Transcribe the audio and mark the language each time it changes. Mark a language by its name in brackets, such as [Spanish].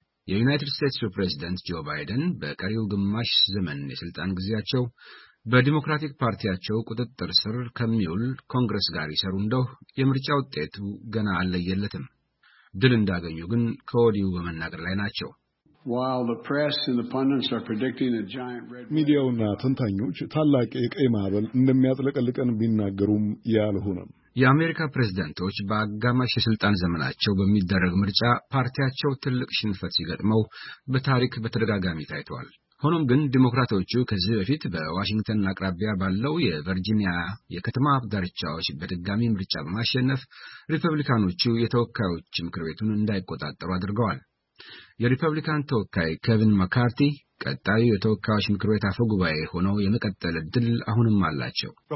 [Amharic] የዩናይትድ ስቴትስ ፕሬዝዳንት ጆ ባይደን በቀሪው ግማሽ ዘመን የስልጣን ጊዜያቸው በዲሞክራቲክ ፓርቲያቸው ቁጥጥር ስር ከሚውል ኮንግረስ ጋር ይሰሩ እንደው የምርጫ ውጤቱ ገና አልለየለትም። ድል እንዳገኙ ግን ከወዲሁ በመናገር ላይ ናቸው። [English] While the press and the pundits are predicting a giant red wave, [Amharic] ሚዲያውና ተንታኞች ታላቅ የቀይ ማዕበል እንደሚያጥለቀልቀን ቢናገሩም ያልሆነም የአሜሪካ ፕሬዝዳንቶች በአጋማሽ የስልጣን ዘመናቸው በሚደረግ ምርጫ ፓርቲያቸው ትልቅ ሽንፈት ሲገጥመው በታሪክ በተደጋጋሚ ታይቷል። ሆኖም ግን ዲሞክራቶቹ ከዚህ በፊት በዋሽንግተን አቅራቢያ ባለው የቨርጂኒያ የከተማ ዳርቻዎች በድጋሚ ምርጫ በማሸነፍ ሪፐብሊካኖቹ የተወካዮች ምክር ቤቱን እንዳይቆጣጠሩ አድርገዋል። የሪፐብሊካን ተወካይ ኬቪን መካርቲ ቀጣዩ የተወካዮች ምክር ቤት አፈ ጉባኤ ሆነው የመቀጠል ዕድል አሁንም አላቸው።